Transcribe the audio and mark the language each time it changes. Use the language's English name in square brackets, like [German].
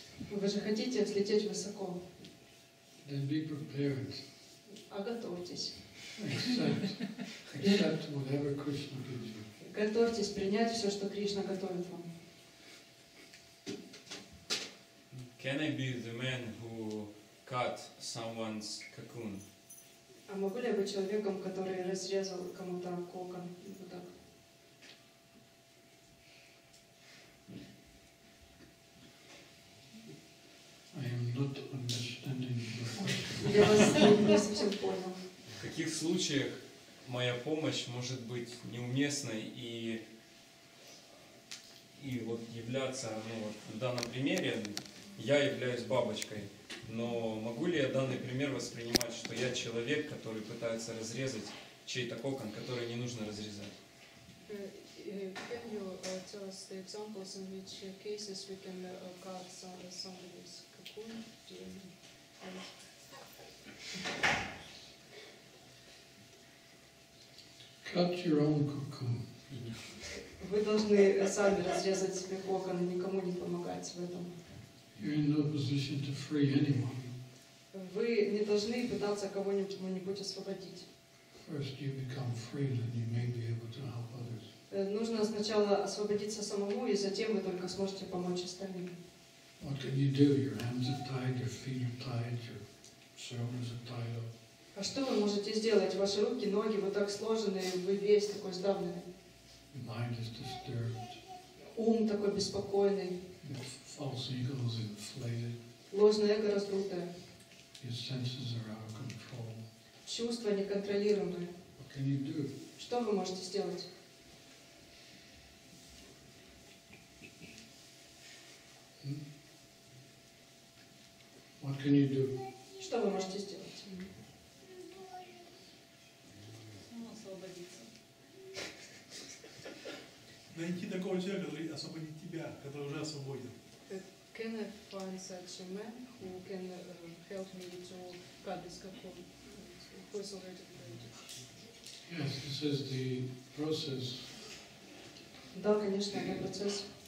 [Russian] Вы же хотите взлететь высоко. [English] Then be prepared. [Russian] А готовьтесь. [English] Accept whatever Krishna gives you. [Russian] Готовьтесь принять все, что Кришна готовит вам. [English] Can I be the man who cut someone's cocoon? [Russian] А могу ли я быть человеком, который разрезал кому-то кокон? Вот так. [English] I am not understanding your question. [Russian] Я вас не совсем понял. В каких случаях моя помощь может быть неуместной и вот являться, ну вот в данном примере я являюсь бабочкой, но могу ли я данный пример воспринимать, что я человек, который пытается разрезать чей-то кокон, который не нужно разрезать? [English] Can you tell us the examples in which cases we can cut somebody's cocoon? Cut your own cocoon. [Russian] Вы должны сами разрезать себе кокон и никому не помогать в этом. [English] You're in no position to free anyone. [Russian] Вы не должны пытаться кого-нибудь освободить. [English] First you become free, then you may be able to help others. [Russian] Нужно сначала освободиться самому, и затем вы только сможете помочь остальным. [English] What can you do? Your hands are tied, your feet are tied, your shoulders are tied up. [Russian] А что вы можете сделать? Ваши руки, ноги вот так сложены, вы весь такой сдавленный. [English] Mind is disturbed. [Russian] Ум такой беспокойный. [English] False ego is inflated. [Russian] Ложное эго раздутое. [English] Your senses are out of control. [Russian] Чувства неконтролируемые. [English] What can you do? [Russian] Что вы можете сделать? [English] What can you do? [Russian] Что вы можете сделать? Найти такого человека, который освободит тебя, который уже освободен. [English] Can I find such a man who can help me to cut this cocoon? Who is already liberated? Yes, this is the process. [Russian] Да, конечно, это процесс.